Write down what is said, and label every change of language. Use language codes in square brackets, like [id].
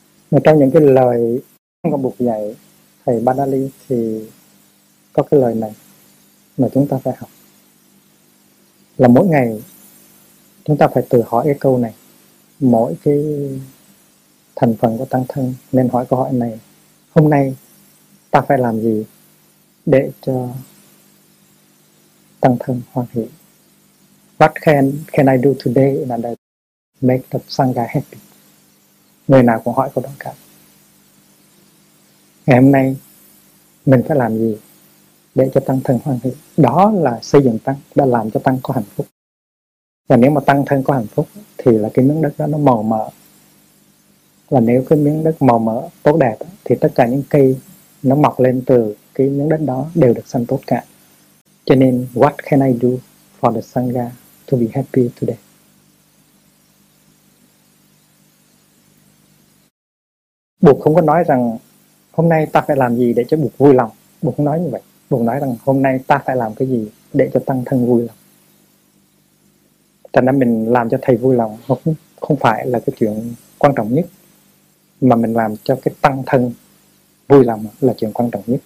[vi] Và trong những cái lời của Bụt dạy thầy Badali thì có cái lời này mà chúng ta phải học, là mỗi ngày chúng ta phải tự hỏi cái câu này, mỗi cái thành phần của tăng thân nên hỏi câu hỏi này: hôm nay ta phải làm gì để cho tăng thân hoan hỷ? [en] What can I do today in order to make the Sangha happy? [vi] Người nào cũng hỏi câu đó cả. Ngày hôm nay mình phải làm gì để cho tăng thân hoan hỷ? Đó là xây dựng tăng, đã làm cho tăng có hạnh phúc. Và nếu mà tăng thân có hạnh phúc thì là cái miếng đất đó nó màu mỡ. Và nếu cái miếng đất màu mỡ tốt đẹp thì tất cả những cây nó mọc lên từ cái miếng đất đó đều được xanh tốt cả. Cho nên [en] what can I do for the Sangha to be happy today? [vi] Bụt không có nói rằng hôm nay ta phải làm gì để cho Bụt vui lòng. Bụt không nói như vậy. Bụt nói rằng hôm nay ta phải làm cái gì để cho tăng thân vui lòng. Tại nên mình làm cho thầy vui lòng không phải là cái chuyện quan trọng nhất, mà mình làm cho cái tăng thân vui lòng là chuyện quan trọng nhất.